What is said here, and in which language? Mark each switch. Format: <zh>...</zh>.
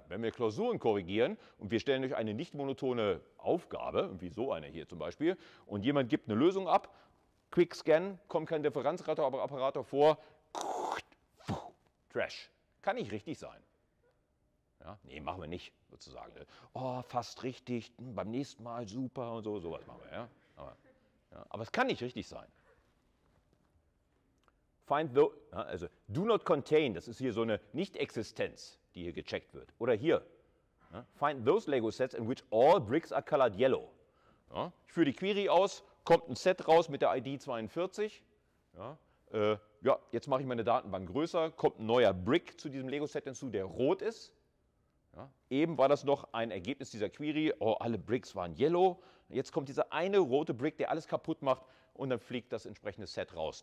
<de>Wenn wir Klausuren korrigieren und wir stellen euch eine nicht monotone Aufgabe, wie so eine hier zum Beispiel, und jemand gibt eine Lösung ab, Quick Scan, kommt kein Differenzoperator vor, Trash. Kann nicht richtig sein. Ja? Nee, machen wir nicht sozusagen. Oh, fast richtig, beim nächsten Mal super und so, sowas machen wir, ja. Aber es kann nicht richtig sein.</de> <en>Do not contain,</en> <de>das ist hier so eine Nicht-Existenz, die hier gecheckt wird. Oder hier, ja,</de> <en>find those Lego sets in which all bricks are colored yellow.</en> <de>Ja, ich führe die Query aus, kommt ein Set raus mit der ID 42. Ja, jetzt mache ich meine Datenbank größer, kommt ein neuer Brick zu diesem Lego Set hinzu, der rot ist. Ja, eben war das noch ein Ergebnis dieser Query, oh, alle Bricks waren yellow. Jetzt kommt dieser eine rote Brick, der alles kaputt macht und dann fliegt das entsprechende Set raus.</de>